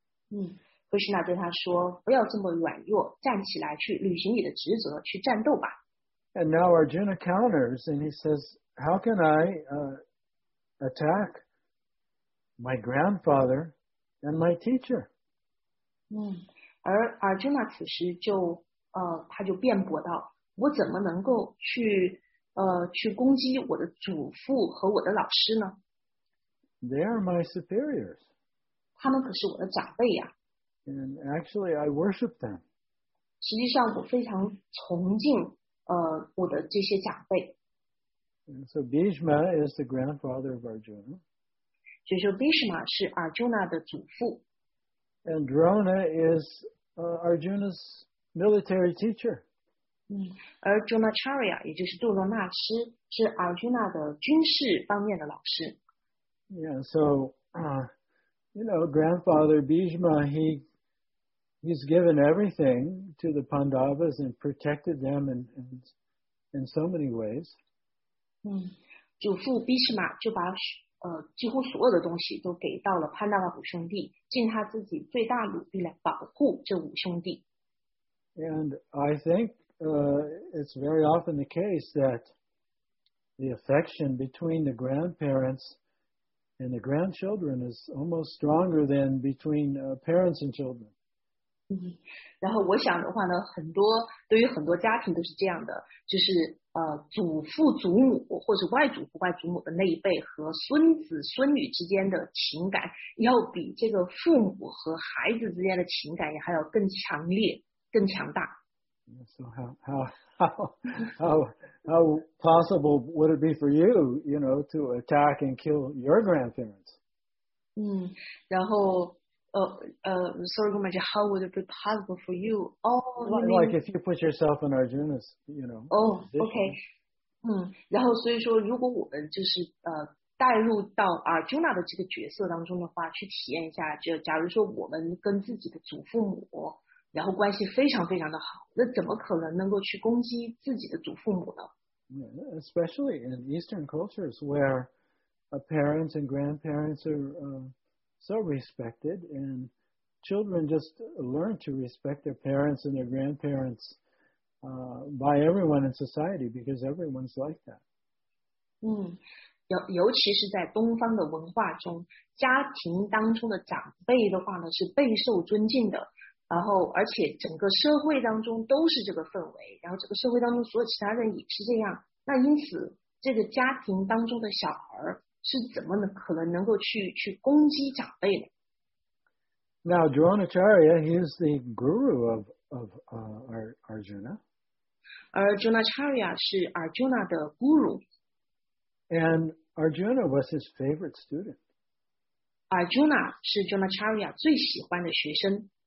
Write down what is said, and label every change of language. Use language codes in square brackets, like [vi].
[zh] Krishna 对他说不要这么软弱站起来去履行你的职责去战斗吧。 [en] And now Arjuna counters and he says,How can I attack my grandfather and my teacher? [zh] 而 Arjuna 此时就他就辩驳道我怎么能够去攻击我的祖父和我的老师呢 [en] They are my superiors. [zh] 他们可是我的长辈呀 [en] And actually, I worship them. [zh] 实际上我非常崇敬我的这些长辈 [en] And so Bhishma is the grandfather of Arjuna. [zh] 就是 Bhishma 是 Arjuna 的祖父。 [en] And Drona is Arjuna's military teacher. [zh] 而 Dronacharya 也就是杜罗纳师是 Arjuna 的军事方面的老师。 [en] Yeah, so, you know, grandfather Bhishma, he's given everything to the Pandavas and protected them in so many ways. [zh] 祖父 Bhishma 就把几乎所有的东西都给到了潘大瓦五兄弟，尽他自己最大努力来保护这五兄弟。 [en] And I think it's very often the case that the affection between the grandparents and the grandchildren is almost stronger than between parents and children. [zh] 然后我想的话呢，很多对于很多家庭都是这样的，就是祖父祖母或者外祖父外祖母的那一辈和孙子孙女之间的情感要比这个父母和孩子之间的情感还要更强烈更强大。 [en] So how possible would it be for you know, to attack and kill your grandparents? [zh] 然后 [en] sorry, Guruji, how would it be possible for you? Like if you put yourself in Arjuna's, you know. Oh, okay. [zh] 然后所以说，如果我们就是带入到 Arjuna 的这个角色当中的话，去体验一下，就假如说我们跟自己的祖父母，然后关系非常非常的好，那怎么可能能够去攻击自己的祖父母呢？ [en] Especially in Eastern cultures where parents and grandparents are so respected, and children just learn to respect their parents and their grandparents by everyone in society because everyone's like that. [zh] 尤其是在东方的文化中，家庭当中的长辈的话呢是备受尊敬的，然后而且整个社会当中都是这个氛围，然后这个社会当中所有其他人也是这样，那因此这个家庭当中的小孩是怎么可能能够去攻击长辈呢？ [en] Now Dronacharya, he is the guru of Arjuna. [zh] Dronacharya 是 Arjuna 的 guru. [en] And Arjuna was his favorite student. [zh] Arjuna 是 Dronacharya 最喜欢的学生。